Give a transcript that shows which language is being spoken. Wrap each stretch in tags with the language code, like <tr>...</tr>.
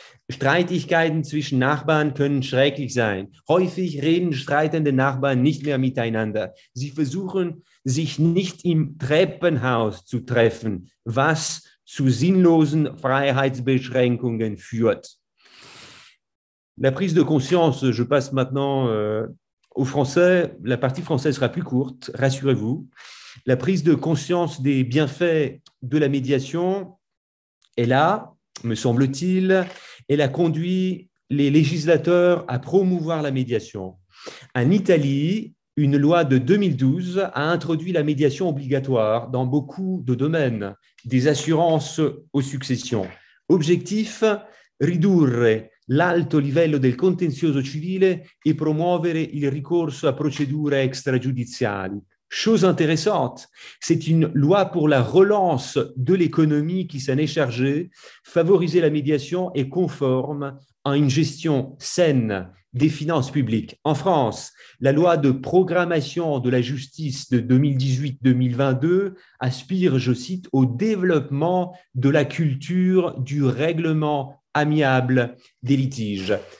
<de>Streitigkeiten zwischen Nachbarn können schrecklich sein. Häufig reden streitende Nachbarn nicht mehr miteinander. Sie versuchen, sich nicht im Treppenhaus zu treffen, was zu sinnlosen Freiheitsbeschränkungen führt.</de> <fr>La prise de conscience, je passe maintenant au français, la partie française sera plus courte, rassurez-vous. La prise de conscience des bienfaits de la médiation est là, me semble-t-il. Elle a conduit les législateurs à promouvoir la médiation. En Italie, une loi de 2012 a introduit la médiation obligatoire dans beaucoup de domaines, des assurances aux successions.</fr> <it>Objectif, ridurre l'alto livello del contenzioso civile e promuovere il ricorso a procedure extrajudiziali.</it> <fr>Chose intéressante, c'est une loi pour la relance de l'économie qui s'en est chargée. Favoriser la médiation est conforme à une gestion saine des finances publiques. En France, la loi de programmation de la justice de 2018-2022 aspire, je cite, au développement de la culture du règlement amiable des litiges.</fr>